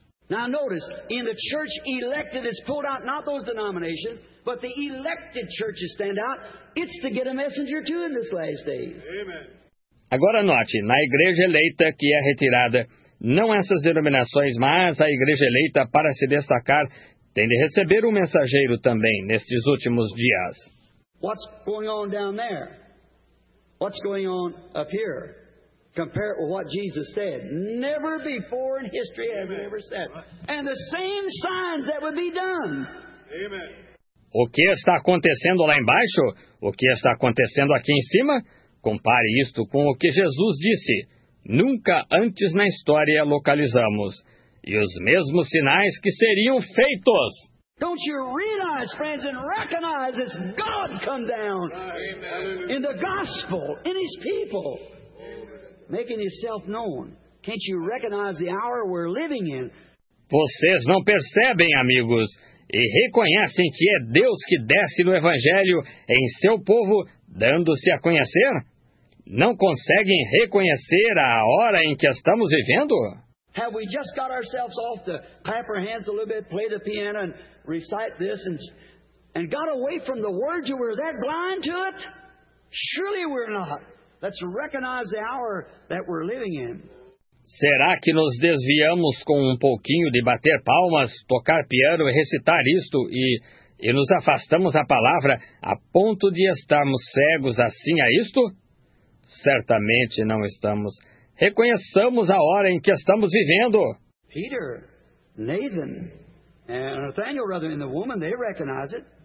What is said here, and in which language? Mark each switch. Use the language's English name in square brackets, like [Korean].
[English] Now notice, in the church elected, it's pulled out not those denominations, but the elected churches stand out. It's to get a messenger too in this last days. Amen. [Portuguese] Agora note, na igreja eleita que é retirada, não essas denominações, mas a igreja eleita, para se destacar, tem de receber um mensageiro também nestes últimos dias. [English] What's going on down there? What's going on up here? Compare it with what Jesus said. Never before in history have it ever said. And the same signs that would be done. Amen. [Portuguese] O que está acontecendo lá embaixo? O que está acontecendo aqui em cima? Compare isto com o que Jesus disse. Nunca antes na história localizamos. E os mesmos sinais que seriam feitos. [English] Don't you realize, friends, and recognize it's God come down. Amen. In the gospel, in his people. Making yourself known. Can't you recognize the hour we're living in? [Portuguese] Vocês não percebem, amigos, e reconhecem que é Deus que desce no Evangelho em seu povo, dando-se a conhecer? Não conseguem reconhecer a hora em que estamos vivendo? [English] Have we just got ourselves off to clap our hands a little bit, play the piano and recite this and got away from the word? You were that blind to it? Surely we're not. Let's recognize the hour that we're living in. [Portuguese] Será que nos desviamos com um pouquinho de bater palmas, tocar piano e recitar isto e nos afastamos da palavra a ponto de estarmos cegos assim a isto? Certamente não estamos. Reconheçamos a hora em que estamos vivendo. [English] Peter, Nathan, and Nathaniel, rather, and the woman, they recognize it.